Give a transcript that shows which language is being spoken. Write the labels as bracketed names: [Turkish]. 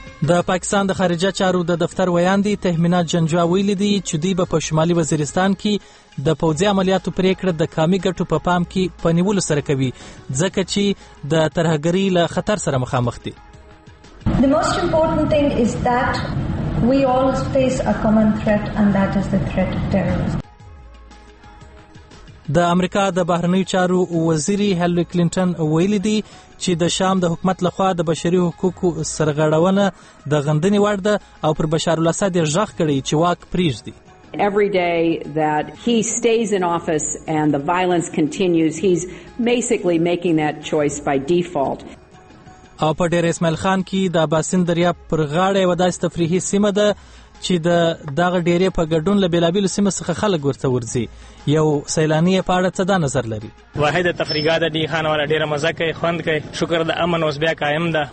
[Pashto] د پاکستان د خارجه چارو د دفتر ویاندی تهمینات جنجوا ویل دي چې دوی به په شمالي وزیرستان کې د پوځي عملیاتو پریکړه د کامی ګټو په پام کې په نیولو سره کوي ځکه چې د ترهګری له خطر سره مخامخ دي. [English] The most important thing is that we all face a common threat and that is the threat of terrorism. [Pashto] د امریکا د بهرنیو چارو وزیر هیلری کلینټن ویلی دی چې د شام د حکومت لخوا د بشري حقوقو سرغړونه د غندنې وړ ده او پر بشار الاسد یې ژغ کړی چې واک پریږدي. [English] Every day that he stays in office and the violence continues, he's basically making that choice by default. [Pashto] او په ډیر اسماعیل خان کې د باسن دریا پر غاړه وداس تفریحي سیمه ده چې د دغه ډیرې په ګډون له بیلابیل سیمه څخه خلک ورته ورځي. یو سیلانی په اړه څه دا نظر لري؟ واحد تفریحا د ډی خان والا ډیره مزه کوي، خوند کوي. شکر د امن اوس بیا قائم ده.